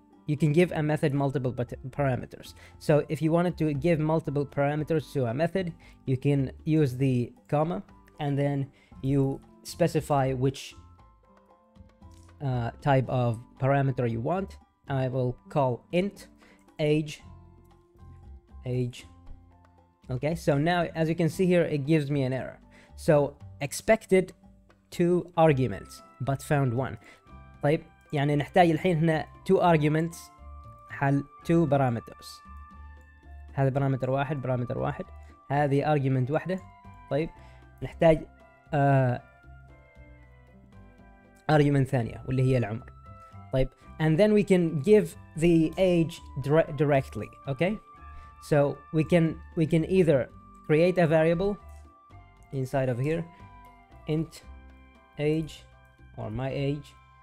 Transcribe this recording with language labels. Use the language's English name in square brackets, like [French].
[English] You can give a method multiple parameters. So if you wanted to give multiple parameters to a method, you can use the comma and then you specify which type of parameter you want. I will call int age. Okay, so now as you can see here, it gives me an error. So expected two arguments but found one. [Arabic] طيب يعني نحتاج الحين هنا [English] two arguments [Arabic] حل [English] two parameters. [Arabic] هذا parameter واحد, parameter واحد, هذه argument واحدة. طيب نحتاج argument ثانية واللي هي العمر. [English] طيب and then we can give the age directly. Okay, so we can either create a variable inside of here, int age or my age,